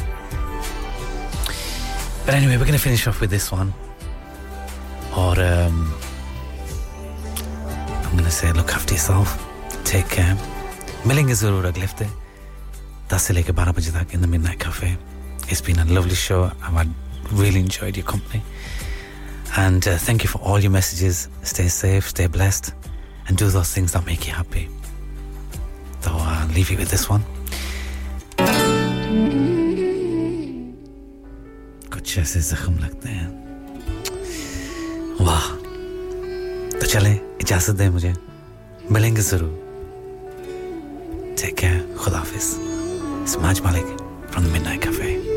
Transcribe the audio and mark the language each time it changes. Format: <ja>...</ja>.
<en>But anyway, we're going to finish off with this one, or I'm going to say, look after yourself, take care.</en> <ur>ملیں گے ضرور اگلے ہفتے 10 سے لے کے 12 بجے تک in the Midnight Cafe.</ur> <en>It's been a lovely show. I've really enjoyed your company. And thank you for all your messages. Stay safe, stay blessed, and do those things that make you happy. So I'll leave you with this one.</en> <ur>کچھ ایسے زخم لگتے ہیں۔</ur> <en>Wow.</en> <ur>تو چلے، اجازت دے مجھے۔ ملیں گے ضرور۔</ur> <en>Take care.</en> <ur>خدا حافظ۔</ur> <en>It's Maj Malik from the Midnight Cafe.</en>